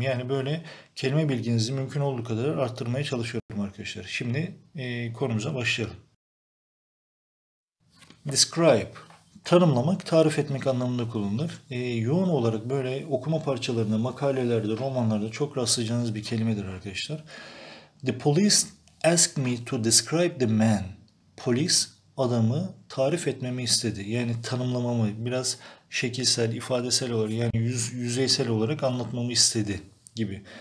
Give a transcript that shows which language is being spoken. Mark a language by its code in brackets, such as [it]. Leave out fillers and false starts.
[tr] Yani böyle kelime bilginizi mümkün olduğu kadar arttırmaya çalışıyorum arkadaşlar. Şimdi konumuza başlayalım. Describe, tanımlamak, tarif etmek anlamında kullanılır. Yoğun olarak böyle okuma parçalarında, makalelerde, romanlarda çok rastlayacağınız bir kelimedir arkadaşlar. [en] The police asked me to describe the man. [tr] Polis adamı tarif etmemi istedi. Yani tanımlamamı biraz şekilsel, ifadesel olarak yani yüzeysel olarak anlatmamı istedi gibi.